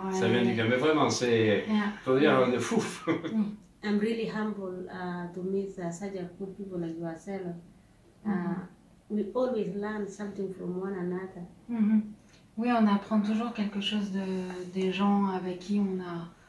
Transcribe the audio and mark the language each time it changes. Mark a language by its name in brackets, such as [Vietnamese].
[French] Ça vient du cœur, mais vraiment, c'est, faut dire, on est fouf. [English] I'm really humble to meet such a good people like yourself. We always learn something from one another. [French] Oui, on apprend toujours quelque chose de des gens avec qui on a.